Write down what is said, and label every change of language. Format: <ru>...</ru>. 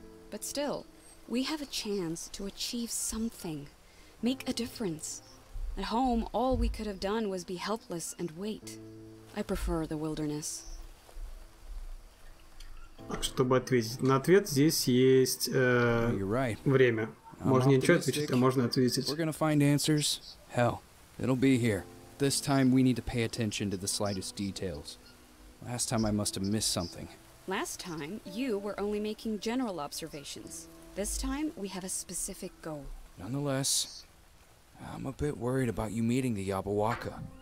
<en>But still, we have a chance to achieve something. Make a difference. At home, all we could have done was be helpless and wait. I prefer the wilderness.</en> <ru>Так, чтобы ответить. На ответ здесь есть время. Можно не ничего ответить, а можно ответить.</ru> <en>We're gonna find answers. Hell, it'll be here. This time we need to pay attention to the slightest details. Last time I must have missed something. Last time you were only making general observations. This time we have a specific goal. Nonetheless, I'm a bit worried about you meeting the Yabawaka.</en>